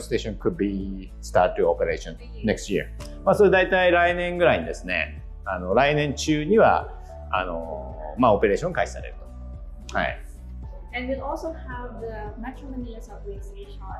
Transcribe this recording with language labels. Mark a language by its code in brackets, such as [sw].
[en] station could be start to operation next year. [ja] まあそれだいたい来年ぐらいにですね。あの来年中にはあのまあオペレーション開始されると。はい。 [en] And we'll also have the Metro Manila Subway Station.